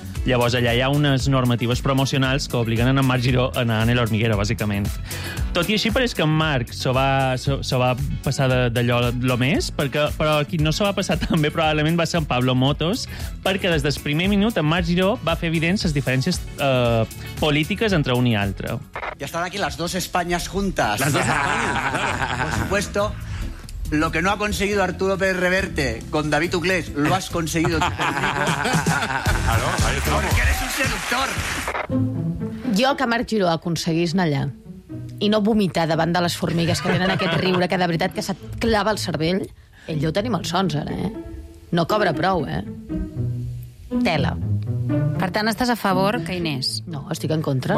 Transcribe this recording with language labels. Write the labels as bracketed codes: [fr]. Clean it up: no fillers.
[ca] Llavors, allà hi ha unes normatives promocionals que obliguen en Marc Giró a anar a l'Hormiguero, bàsicament. Tot i així, pareix que en Marc se va passar d'allò lo més, però qui no se va passar tan bé probablement va ser en Pablo Motos, perquè des del primer minut en Marc Giró va fer evidents les diferències polítiques entre un i altre. [es] Ya están aquí las dos Españas juntas. Las dos Españas. Por supuesto. Lo que no ha conseguido Arturo Pérez Reverte con David Uclés, lo has conseguido tú. Claro, ahí está. Porque eres un seductor. [ca] Jo que Marc Giró aconseguís anar allà i no vomitar davant de les formigues que tenen aquest riure que de veritat que se't clava el cervell, ell ja ho tenim els sons ara, eh? No cobra prou, eh? Tela. Per tant, estàs a favor que Inés... No, estic en contra.